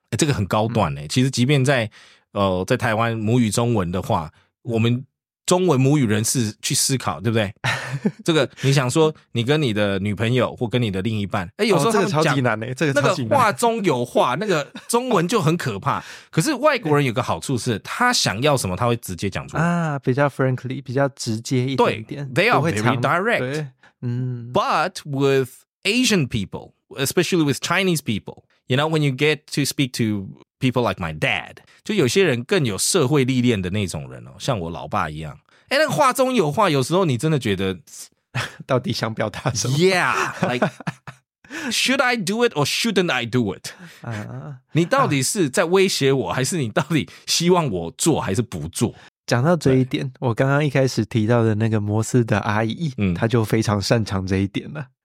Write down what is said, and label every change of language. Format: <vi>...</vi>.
<zh>这个很高端诶、欸、其实即便在在台湾母语中文的话，我们中文母语人士去思考，对不对？这个你想说你跟你的女朋友或跟你的另一半，诶，有时候他们讲、哦、这个超级难诶、欸、这个超级难，那个话中有话，那个中文就很可怕。可是外国人有个好处是他想要什么他会直接讲出来啊，比较 frankly， 比较直接一点点。对，</zh> <en>they are very direct。 But with Asian people, especially with Chinese peopleYou know, when you get to speak to people like my dad,</en> <zh>就有些人更有社会历练的那种人哦，像我老爸一样。诶，那个话中有话，有时候你真的觉得到底想表达什么？</zh> <en>Yeah, like, should I do it or shouldn't I do it?</en> <zh>你到底是在威胁我，还是你到底希望我做还是不做？讲到这一点，我刚刚一开始提到的那个摩斯的阿姨，她就非常擅长这一点了。</zh>